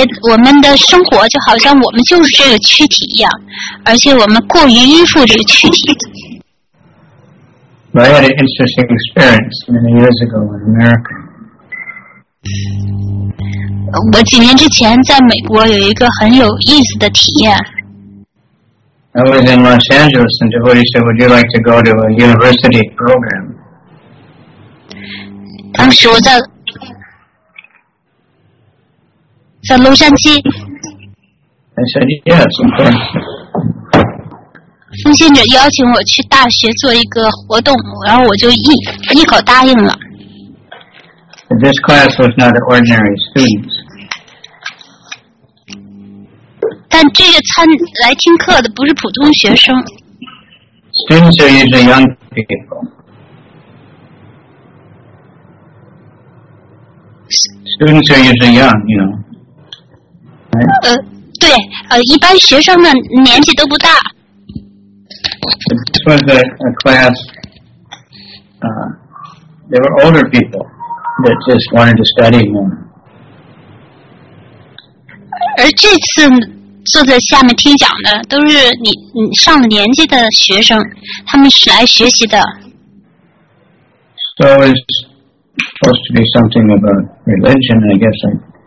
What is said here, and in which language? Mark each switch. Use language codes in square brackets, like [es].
[zh] 我们的生活就好像我们就是这个躯体一样，而且我们过于依附这个躯体。 [en] I had an interesting experience many years ago in America. [zh] 我几年之前在美国有一个很有意思的体验。 [en] I was in Los Angeles and the devotee said, would you like to go to a university program? [zh] 当时我在洛杉矶。 [en] I said, yes, of course. [zh] 奉献者邀请我去大学做一个活动，然后我就一口答应了。 [en] This class was not an ordinary student. [zh] 但这个参来听课的不是普通学生。 [en] Students are usually young people. Students are usually young, you know.、Right? [zh] 对，一般学生的年纪都不大。 [en] This was a class. There were older people that just wanted to study more. [zh] 而这次。坐在下面听讲的都是你上了年纪的学生，他们是来学习的。 [en] So it's supposed to be something about religion, I guess.